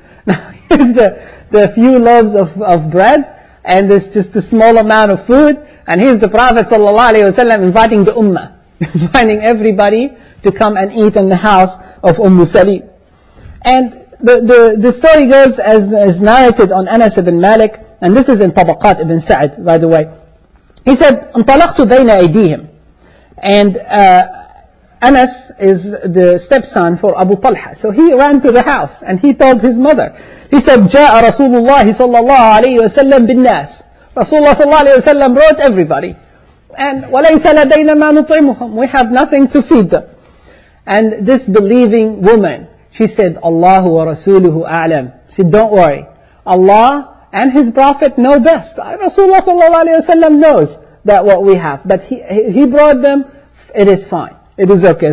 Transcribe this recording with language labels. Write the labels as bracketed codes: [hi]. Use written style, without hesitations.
[en] Now here's the few loaves of bread, and there's just a small amount of food, and here's the Prophet sallallahu alayhi wa sallam inviting the Ummah, inviting everybody to come and eat in the house of Salim. And the story goes as narrated on Anas ibn Malik, and this is in Tabaqat ibn Sa'd, by the way. He said, [ar] انطلقتُ بَيْنَ أَيْدِيهِمْ. [en] And Anas is the stepson for Abu Talha. So he ran to the house and he told his mother. He said, [ar] جَاءَ رَسُولُ اللَّهِ صَلَّى اللَّهُ عَلَيْهِ وَسَلَّمْ بِالنَّاسِ. [en] Rasulullah sallallahu alayhi wa sallam brought everybody. [ar] And وَلَيْسَ لَدَيْنَا مَا نُطْعِمُهُمْ. [en] We have nothing to feed them. And this believing woman, she said, [ar] Allahu wa Rasuluhu a'lam. [en] She said, don't worry. Allah and his Prophet know best. Rasulullah sallallahu alayhi wa sallam knows that what we have. But he brought them, it is fine. It is okay.